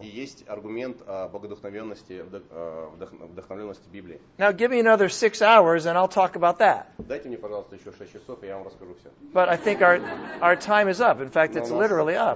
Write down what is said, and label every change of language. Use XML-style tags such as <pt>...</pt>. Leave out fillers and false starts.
<ru>И есть аргумент о богодухновенности, вдохновленности Библии.</ru> <en>Now give me another 6 hours and I'll talk about that.</en> <ru>Дайте мне, пожалуйста, еще 6 часов, и я вам расскажу все.</ru> <en>But I think our time is up. In fact, it's literally up.</en>